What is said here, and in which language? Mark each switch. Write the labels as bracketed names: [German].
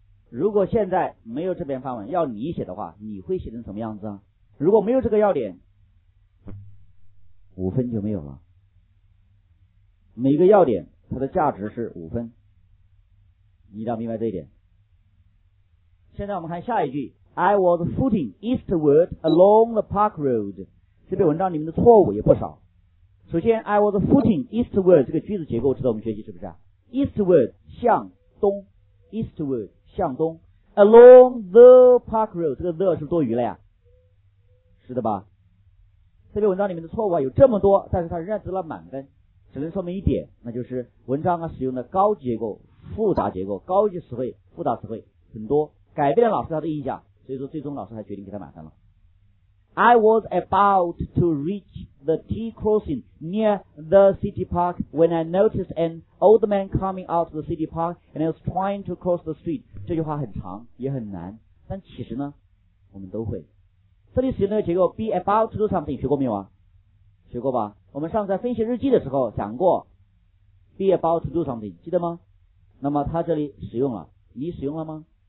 [Chinese] 如果现在没有这篇范文要你写的话，你会写成什么样子啊？如果没有这个要点，五分就没有了。每个要点它的价值是五分，你要明白这一点。现在我们看下一句， [English] I was footing eastward along the park road。 [Chinese] 这篇文章里面的错误也不少。首先 [English] I was footing eastward [Chinese] 这个句子结构值得我们学习，是不是？ eastward 向东， eastward 向东， [English] along the park road， [Chinese] 这个 the 是多余了呀，是的吧。这篇文章里面的错误啊有这么多，但是它仍然值了满分，只能说明一点，那就是文章啊使用的高级结构、复杂结构、高级词汇、复杂词汇很多，改变了老师他的印象，所以说最终老师还决定给他满分了。 [English] I was about to reach the T crossing near the city park when I noticed an old man coming out of the city park and I was trying to cross the street。 [Chinese] 这句话很长也很难，但其实呢我们都会。这里使用的结构 [English] be about to do something [Chinese] 学过没有啊？学过吧。我们上次在分析日记的时候讲过 [English] be about to do something， [Chinese] 记得吗？那么他这里使用了，你使用了吗？